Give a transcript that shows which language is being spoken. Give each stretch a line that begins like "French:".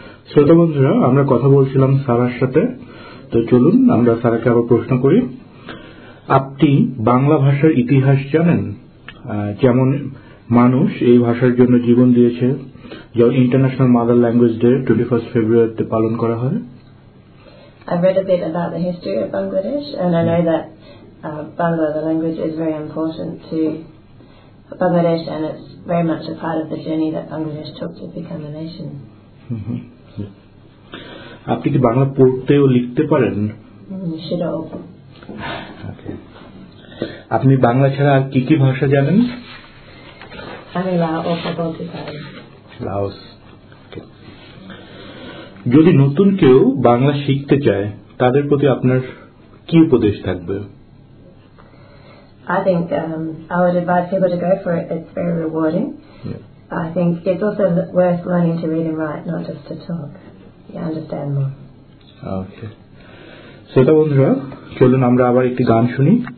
Bangla: শ্রোতা বন্ধুরা, আমরা কথা বলছিলাম সারার সাথে। তো চলুন আমরা সারাকে আবার প্রশ্ন করি, আপনি বাংলা ভাষার ইতিহাস জানেন? যেমন মানুষ এই ভাষার জন্য জীবন দিয়েছে, যেমন international mother language day 21st February পালন করা হয়।
English: I've read a bit about the history of Bangladesh, and I know that Bangla, the language, is very important to Bangladesh, and it's very much a part of the journey that Bangladesh took to become a nation.
Bangla: আপনি কি বাংলা পড়তে ও লিখতে পারেন? সেটাও। আপনি বাংলা ছাড়া আর কি কি ভাষা জানেন? আমি লাও কথা বলতে পারি। লাওস। যদি নতুন কেউ বাংলা শিখতে চায়, তাদের প্রতি আপনার কি উপদেশ থাকবে?
English: I think I would advise people to go for it. It's very rewarding. I think it's also worth learning to read and write, not just to talk. You understand more. Okay.
Bangla: শ্রোতা বন্ধুরা, চলুন আমরা আবার একটি গান শুনি।